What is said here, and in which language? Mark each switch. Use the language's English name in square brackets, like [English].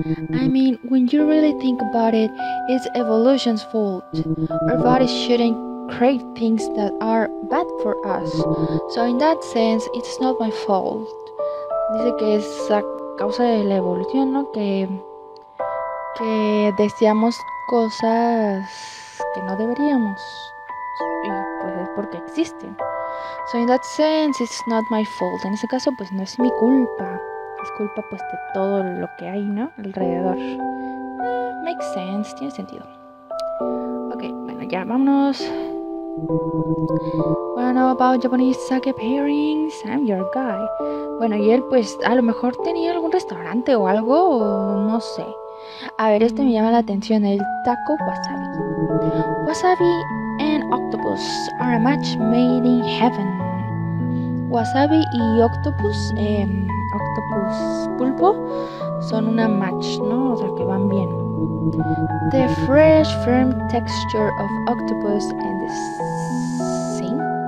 [English] I mean, when you really think about it, it's evolution's fault. Our bodies shouldn't crave things that are bad for us. So in that sense, it's not my fault. [Spanish] Dice que es a causa de la evolución, ¿no? Que deseamos cosas que no deberíamos. Y pues es porque existen. [English] So in that sense, it's not my fault. [Spanish] En ese caso, pues no es mi culpa. Es culpa pues de todo lo que hay, ¿no? Alrededor. [English] Makes sense, [Spanish] tiene sentido. Ok, bueno, ya vámonos. [English] Wanna know about Japanese sake pairings? I'm your guy. [Spanish] Bueno, y él pues a lo mejor tenía algún restaurante o algo, o no sé. A ver, este me llama la atención, el taco wasabi. [English] Wasabi and octopus are a match made in heaven. [Spanish] Wasabi y octopus, octopus pulpo, son una match, ¿no? O sea, que van bien. [English] The fresh, firm texture of octopus and the sink,